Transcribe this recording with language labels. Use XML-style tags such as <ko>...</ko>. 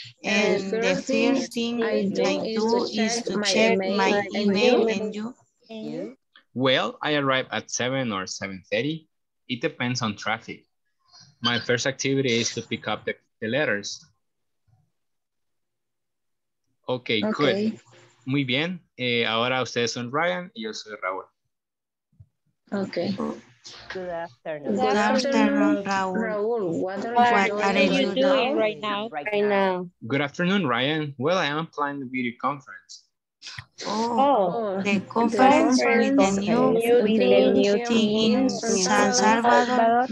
<en>And the first thing I do is to check my email and you. Well, I arrive at 7 or 7:30. It depends on traffic. My first activity is to pick up the letters. Okay, okay, good.</en> <es>Muy bien. Ahora ustedes son Ryan y yo soy Raúl.</es> <en>Okay. Good afternoon, Raúl. What are you doing right now? Good afternoon, Ryan. Well, I am planning a video conference. Oh, the conference with the new team in San Salvador.</en>